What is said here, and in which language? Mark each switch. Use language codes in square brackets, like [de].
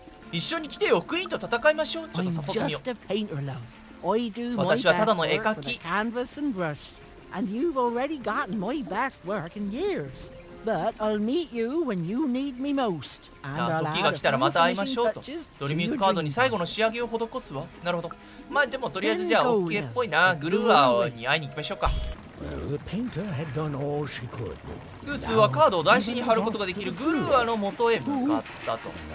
[ja] 一緒に来てよ、クイーンと戦いましょう。ちょっと誘ってみよう。私はただの絵描き。キャンバスとブラシ。 [en] And you've already gotten my best work in years. But I'll meet you when you need me most. [ja] じゃあ時が来たらまた会いましょうと。ドリームカードに最後の仕上げを施すわ。なるほど。まあでもとりあえずじゃあオッケーっぽいな。グルーアーに会いに行きましょうか。グースはカードを台紙に貼ることができるグルーアーの元へ向かったと。